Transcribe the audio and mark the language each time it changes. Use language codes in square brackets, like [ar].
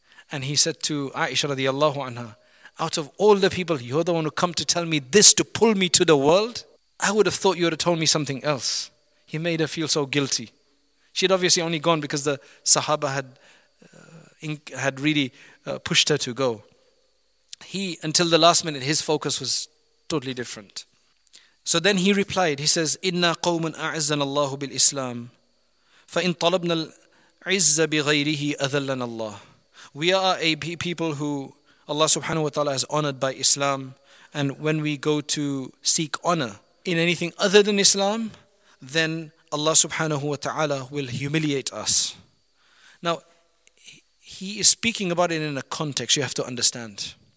[en] And he said to Aisha radiallahu anha, out of all the people, you're the one who come to tell me this, to pull me to the world? I would have thought you would have told me something else. He made her feel so guilty. She had obviously only gone because the Sahaba had really pushed her to go. He, until the last minute, his focus was totally different. So then he replied, he says, [ar] إِنَّا قَوْمٌ أَعِزَّنَ اللَّهُ بِالْإِسْلَامِ فَإِنْ طَلَبْنَا الْعِزَّ بِغَيْرِهِ أَذَلَّنَا اللَّهُ. [en] We are a people who Allah subhanahu wa ta'ala has honored by Islam. And when we go to seek honor in anything other than Islam, then Allah subhanahu wa ta'ala will humiliate us. Now, he is speaking about it in a context you have to understand.